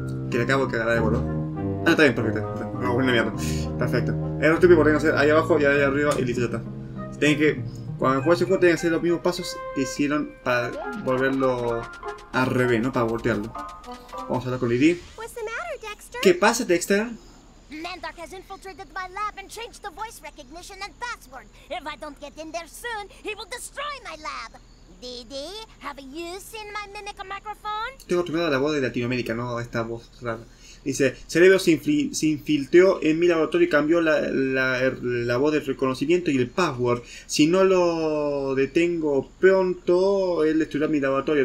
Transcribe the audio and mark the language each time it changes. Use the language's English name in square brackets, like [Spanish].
[Spanish] Que le acabo de cagar de vuelo. Ah, está bien, perfecto. No, buena mierda. Perfecto. Es lo típico que tienen que hacer ahí abajo y ahí arriba y listo, ya está. Tienen que. Cuando juegas el juego, tienen que hacer los mismos pasos que hicieron para volverlo al revés, ¿no? Para voltearlo. Vamos a hablar con Lily. ¿Qué pasa, Dexter? [English] Mandark has infiltrated my lab and changed the voice recognition and password. If I don't get in there soon, he will destroy my lab. Didi, have you seen my mimic microphone? [Spanish] Tengo acostumbrado a la voz de Latinoamérica, no a esta voz rara. Dice, cerebro se infiltró en mi laboratorio y cambió la voz de reconocimiento y el password. Si no lo detengo pronto, él destruirá mi laboratorio.